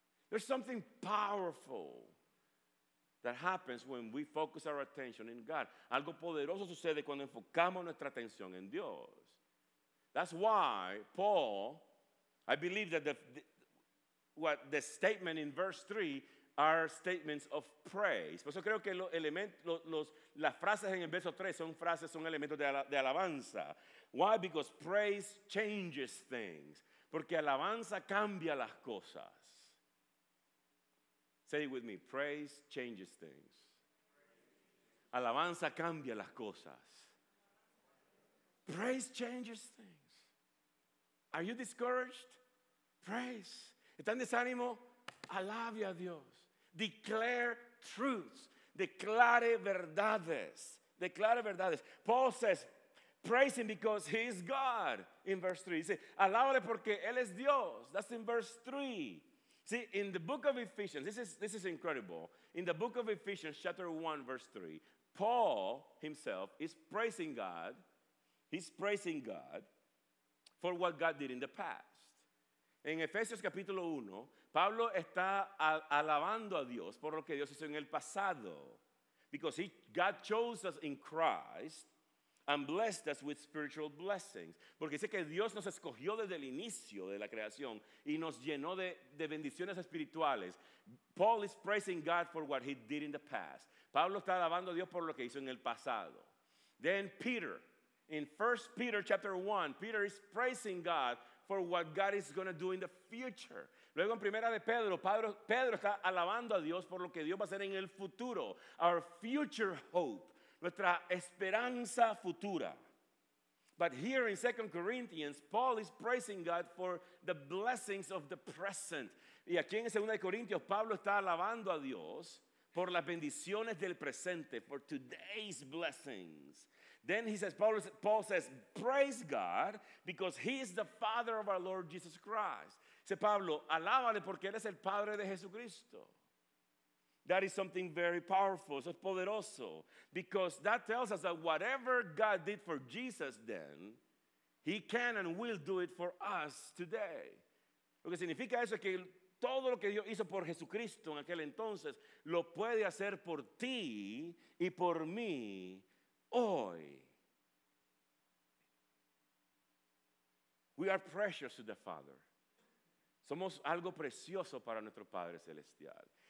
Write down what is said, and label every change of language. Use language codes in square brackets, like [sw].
[en] There's something powerful that happens when we focus our attention in God. [es] Algo poderoso sucede cuando enfocamos nuestra atención en Dios. [en] That's why Paul, I believe that the statement in verse 3, are statements of praise. [es] Por eso creo que los elementos, las frases en el verso 3 son frases, son elementos de alabanza. [en] Why? Because praise changes things. [es] Porque alabanza cambia las cosas. [en] Say it with me. Praise changes things. [es] Alabanza cambia las cosas. [en] Praise changes things. Are you discouraged? Praise. [es] ¿Están desánimo? Alabe a Dios. [en] Declare truths. [es] Declare verdades. Declare verdades. [en] Paul says, praise him because he is God. In verse 3. [es] Dice, alábale porque él es Dios. [en] That's in verse 3. See, in the book of Ephesians, this is incredible. In the book of Ephesians, chapter 1, verse 3, Paul himself is praising God. He's praising God for what God did in the past. [es] In Ephesians, capítulo 1, Pablo está alabando a Dios por lo que Dios hizo en el pasado. [en] Because God chose us in Christ and blessed us with spiritual blessings. [es] Porque dice que Dios nos escogió desde el inicio de la creación y nos llenó de bendiciones espirituales. [en] Paul is praising God for what he did in the past. [es] Pablo está alabando a Dios por lo que hizo en el pasado. [en] Then Peter, in 1 Peter chapter 1, Peter is praising God for what God is going to do in the future. [es] Luego en primera de Pedro, Pedro está alabando a Dios por lo que Dios va a hacer en el futuro. [en] Our future hope. [es] Nuestra esperanza futura. [en] But here in 2 Corinthians, Paul is praising God for the blessings of the present. [es] Y aquí en 2 Corintios, Pablo está alabando a Dios por las bendiciones del presente, [en] for today's blessings. Then he says, Paul says, praise God because he is the father of our Lord Jesus Christ. [es] Dice Pablo, alábale porque él es el padre de Jesucristo. [en] That is something very powerful, so poderoso, because that tells us that whatever God did for Jesus then, he can and will do it for us today. [es] Lo que significa eso es que todo lo que Dios hizo por Jesucristo en aquel entonces, lo puede hacer por ti y por mí hoy. [en] We are precious to the Father. [es] Somos algo precioso para nuestro Padre Celestial.